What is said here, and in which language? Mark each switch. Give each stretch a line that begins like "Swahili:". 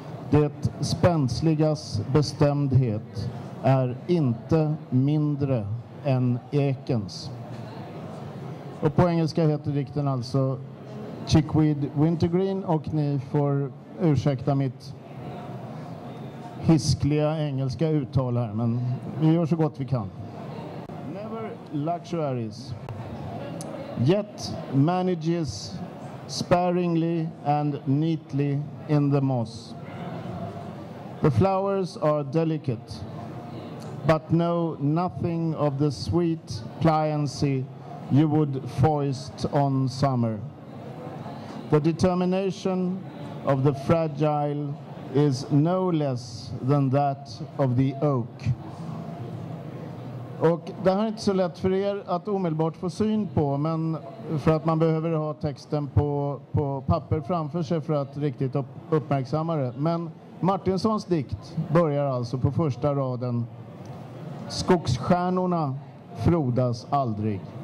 Swedish: Det spänsligas bestämdhet är inte mindre än ekens. Och på engelska heter dikten alltså Chickweed Wintergreen, och ni får ursäkta mitt hiskliga engelska uttal här, men vi gör så gott vi kan.
English: Never luxuries, yet manages sparingly and neatly in the moss. The flowers are delicate, but know nothing of the sweet pliancy you would foist on summer. The determination of the fragile is no less than that of the oak.
Swedish: Och det här är inte så lätt för er att omedelbart få syn på, men för att man behöver ha texten på papper framför sig för att riktigt uppmärksamma det. Men Martinsons dikt börjar alltså på första raden. Skogsstjärnorna frodas aldrig.